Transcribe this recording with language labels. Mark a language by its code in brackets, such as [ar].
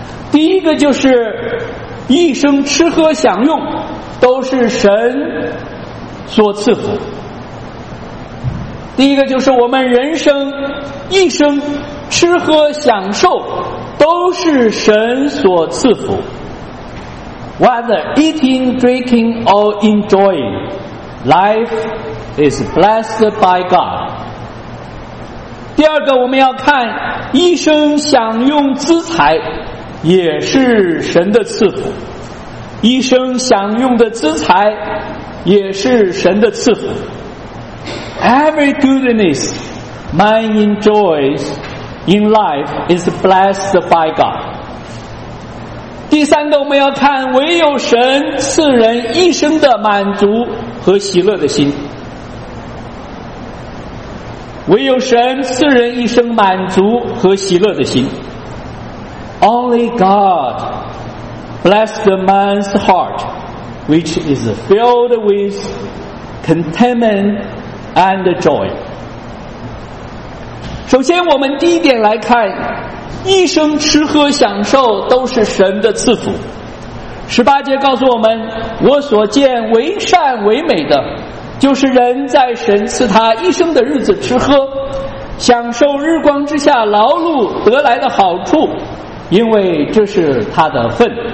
[zh] 第一个就是一生吃喝享用都是神所赐福。第一个就是我们人生一生吃喝享受都是神所赐福。 [en] Whether eating, drinking, or enjoying, life is blessed by God. [zh] 第二个，我们要看一生享用资财也是神的赐福。一生享用的资财也是神的赐福。 [en] Every goodness man enjoys in life is blessed by God. [zh] 第三个，我们要看唯有神赐人一生的满足和喜乐的心。唯有神赐人一生满足和喜乐的心。 [en] Only God bless the man's heart which is filled with contentment and joy。 [zh] 首先我们第一点来看，一生吃喝享受都是神的赐福。十八节告诉我们，我所见为善为美的，就是人在神赐他一生的日子吃喝，享受日光之下劳碌得来的好处，因为这是他的份。